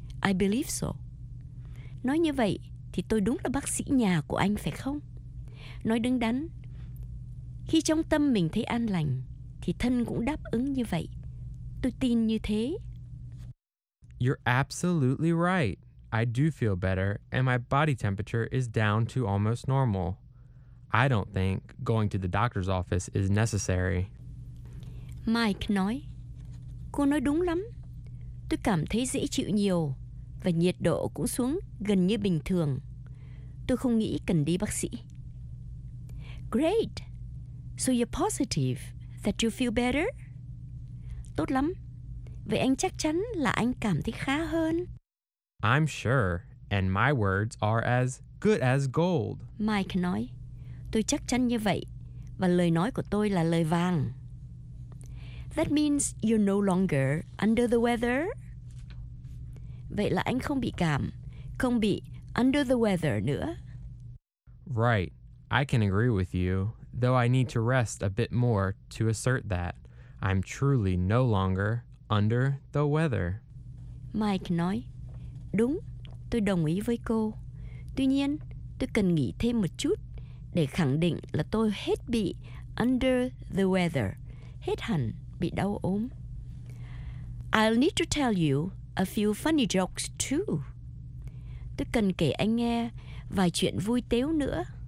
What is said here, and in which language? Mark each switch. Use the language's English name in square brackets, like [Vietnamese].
[English] I believe so. [Vietnamese] Nói như vậy, thì tôi đúng là bác sĩ nhà của anh phải không? Nói đứng đắn, khi trong tâm mình thấy an lành, thì thân cũng đáp ứng như vậy. Tôi tin như thế. [English] You're absolutely right. I do feel better, and my body temperature is down to almost normal. I don't think going to the doctor's office is necessary. [Vietnamese] Mike nói, cô nói đúng lắm. Tôi cảm thấy dễ chịu nhiều và nhiệt độ cũng xuống gần như bình thường. Tôi không nghĩ cần đi bác sĩ. [English] Great. So you're positive that you feel better? [Vietnamese] Tốt lắm. Vậy anh chắc chắn là anh cảm thấy khá hơn. [English] I'm sure, and my words are as good as gold. [Vietnamese] Mike nói, tôi chắc chắn như vậy, và lời nói của tôi là lời vàng. [English] That means you're no longer under the weather. [Vietnamese] Vậy là anh không bị cảm, không bị [English] under the weather [Vietnamese] nữa. [English] Right, I can agree with you, though I need to rest a bit more to assert that. I'm truly no longer under the weather. [Vietnamese] Mike nói, đúng, tôi đồng ý với cô. Tuy nhiên, tôi cần nghỉ thêm một chút để khẳng định là tôi hết bị [English] under the weather, [Vietnamese] hết hẳn bị đau ốm. [English] I'll need to tell you a few funny jokes too. [Vietnamese] Tôi cần kể anh nghe vài chuyện vui tếu nữa.